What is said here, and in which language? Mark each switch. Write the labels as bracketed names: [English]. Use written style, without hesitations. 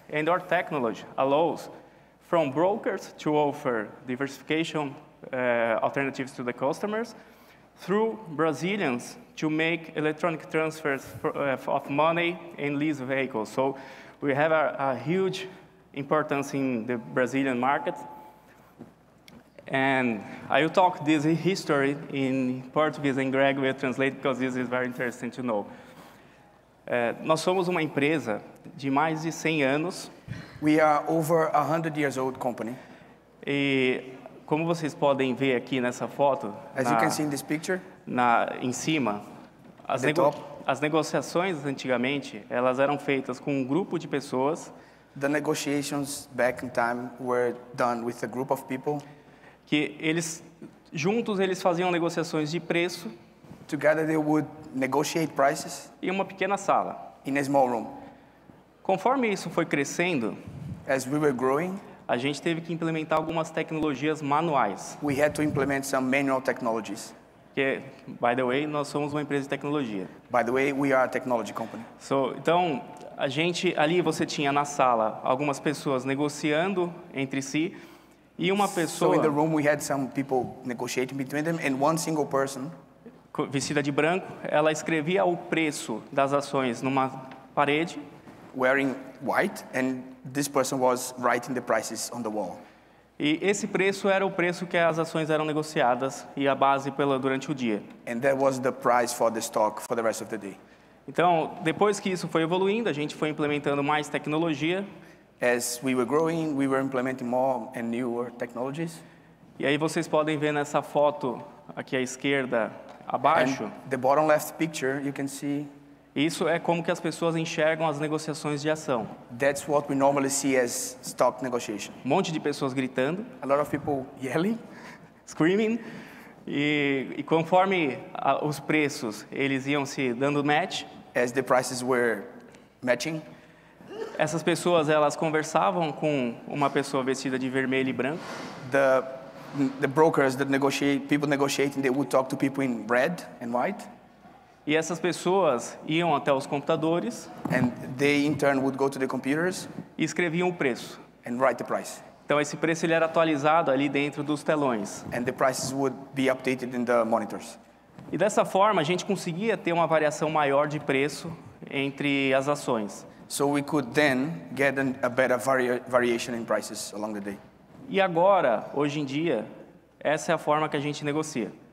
[English] And our technology allows from brokers to offer diversification alternatives to the customers, through Brazilians to make electronic transfers of money and lease vehicles. So we have a huge importance in the Brazilian market. And I will talk this history in Portuguese, and Greg will translate because this is very interesting to know. [Portuguese] Nós somos uma empresa de mais de 100 anos. [English] We are over 100 years old company. [Portuguese] E como vocês podem ver aqui nessa foto, [English] as you can see in this picture, [Portuguese] em cima, as negociações antigamente, elas eram feitas com um grupo de pessoas. [English] The negotiations back in time were done with a group of people. [Portuguese] Que eles juntos eles faziam negociações de preço. [English] Together they would negotiate prices. [Portuguese] Em uma pequena sala. [English] In a small room. [Portuguese] Conforme isso foi crescendo, [English] as we were growing, [Portuguese] a gente teve que implementar algumas tecnologias manuais. [English] We had to implement some manual technologies. [Portuguese] Que, [English] by the way, [Portuguese] nós somos uma empresa de tecnologia. [English] By the way, we are a technology company. [Portuguese] So, então, a gente ali você tinha na sala algumas pessoas negociando entre si e uma pessoa. [English] So in the room we had some people negotiating between them and one single person, [Portuguese] vestida de branco, ela escrevia o preço das ações numa parede. [English] Wearing white, and this person was writing the prices on the wall. [Portuguese] E esse preço era o preço que as ações eram negociadas e a base pela durante o dia. [English] And that was the price for the stock for the rest of the day. [Portuguese] Então, depois que isso foi evoluindo, a gente foi implementando mais tecnologia. [English] As we were growing, we were implementing more and newer technologies. [Portuguese] E aí vocês podem ver nessa foto aqui à esquerda abaixo. [English] And the bottom left picture, you can see. [Portuguese] Isso é como que as pessoas enxergam as negociações de ação. [English] That's what we normally see as stock negotiation. [Portuguese] Um monte de pessoas gritando. [English] A lot of people yelling. Screaming. [Portuguese] E conforme os preços, eles iam se dando match. [English] As the prices were matching. [Portuguese] Essas pessoas, elas conversavam com uma pessoa vestida de vermelho e branco. [English] The brokers, the people negotiating, they would talk to people in red and white. [Portuguese] E essas pessoas iam até os computadores. [English] And they in turn would go to the computers. [Portuguese] E escreviam o preço. [English] And write the price. [Portuguese] Então esse preço ele era atualizado ali dentro dos telões. [English] And the prices would be updated in the monitors. [Portuguese] E dessa forma a gente conseguia ter uma variação maior de preço entre as ações. [English] So we could then get a better variation in prices along the day. [Portuguese] E agora, hoje em dia, essa é a forma que a gente negocia.